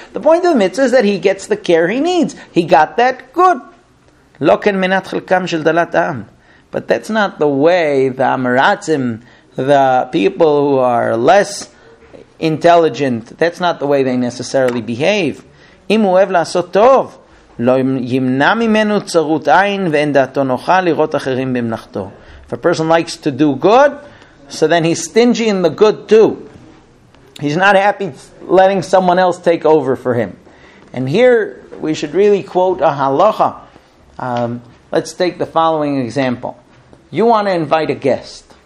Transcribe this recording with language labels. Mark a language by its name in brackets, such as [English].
[English] The point of the mitzvah is that he gets the care he needs. He got that good. [Hebrew] לא כן מנת חלקם של דלת עם. [English] But that's not the way the amaratzim, the people who are less intelligent, that's not the way they necessarily behave. [Hebrew] אם הוא אוהב לעשות טוב, לא ימנע ממנו צרות עין ואין דעתו נוחה לראות אחרים במנחתו. [English] If a person likes to do good, so then he's stingy in the good too. He's not happy letting someone else take over for him. And here, we should really quote a halacha. Let's take the following example. You want to invite a guest.